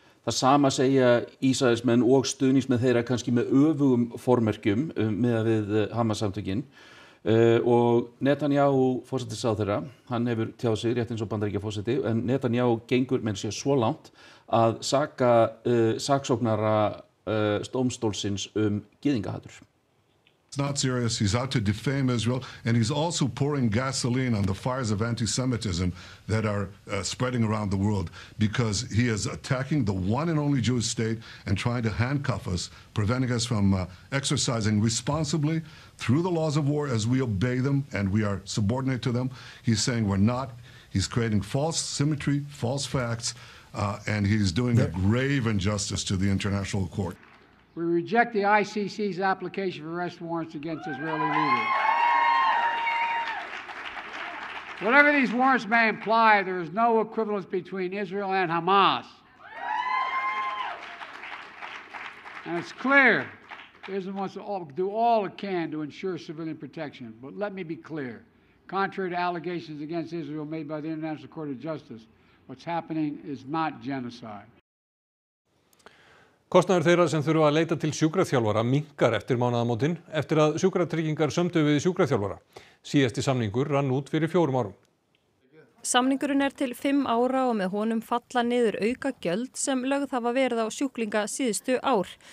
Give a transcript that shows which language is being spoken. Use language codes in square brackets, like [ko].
[is] Það sama segja Ísraelsmenn og stuðningsmenn þeirra kannski með öfugum formerkjum með við Hamas-samtökin. Og Netanyahu forsætisráðherra, hann hefur tjáð sig rétt eins og Bandaríkjaforseti, en Netanyahu gengur menn sér svo langt að saka saksóknara dómstólsins gyðingahatur. [en] It's not serious. He's out to defame Israel and he's also pouring gasoline on the fires of anti-Semitism that are spreading around the world because he is attacking the one and only Jewish state and trying to handcuff us, preventing us from exercising responsibly through the laws of war as we obey them and we are subordinate to them. He's saying we're not. He's creating false symmetry, false facts, and he's doing a grave injustice to the international court. We reject the ICC's application for arrest warrants against Israeli leaders. Whatever these warrants may imply, there is no equivalence between Israel and Hamas. And it's clear, Israel wants to do all it can to ensure civilian protection. But let me be clear, contrary to allegations against Israel made by the International Court of Justice, what's happening is not genocide. [is] Kostnaður þeirra sem þurfa að leita til sjúkraþjálfara minkar eftir mánaðamótin eftir að sjúkratryggingar sömdu við sjúkraþjálfara. Síðasti samningur rann út fyrir 4 árum. Samningurinn til 5 ára og með honum falla niður auka gjöld sem lögð hafa verið á sjúklinga síðustu ár.